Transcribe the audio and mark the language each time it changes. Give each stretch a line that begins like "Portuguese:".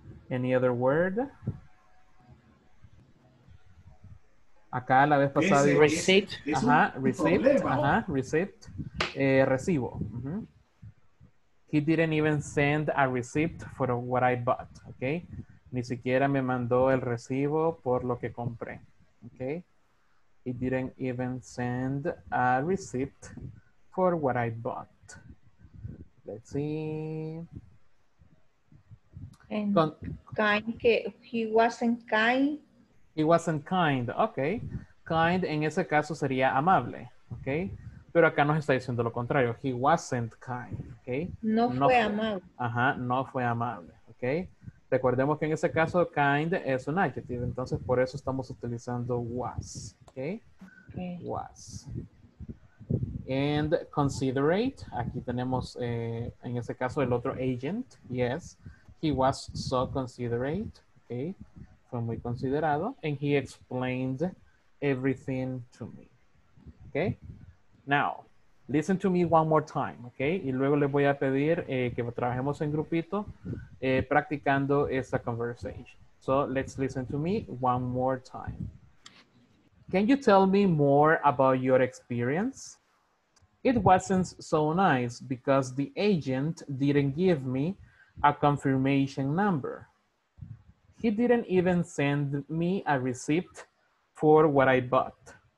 English: Any other word?
Spanish: Acá la vez pasada dijo, receipt. Ajá, receipt. Ajá, receipt. Recibo.
English: He didn't even send a receipt for what I bought. Okay.
Spanish: Ni siquiera me mandó el recibo por lo que compré.
English: Okay. He didn't even send a receipt for what I bought. Let's see. And kind, que he wasn't kind. He wasn't kind. Okay. Kind
Spanish: en ese caso sería amable.
English: Okay.
Spanish: Pero acá nos está diciendo lo contrario.
English: He wasn't kind.
Spanish: Okay. No fue amable. Ajá. No fue amable. Okay. Recordemos que en ese caso kind es un adjective. Entonces por eso estamos utilizando was. Okay.
English: Okay. Was. And considerate.
Spanish: Aquí tenemos en ese caso el otro agent.
English: Yes. He was so considerate. Okay.
Spanish: Fue muy considerado.
English: And he explained everything to me. Okay. Now, listen to me one more time. Okay.
Spanish: Y luego les voy a pedir que trabajemos en grupito practicando esta conversation.
English: So, let's listen to me one more time. Can you tell me more about your experience? It wasn't so nice because the agent didn't give me a confirmation number. He didn't even send me a receipt for what I bought.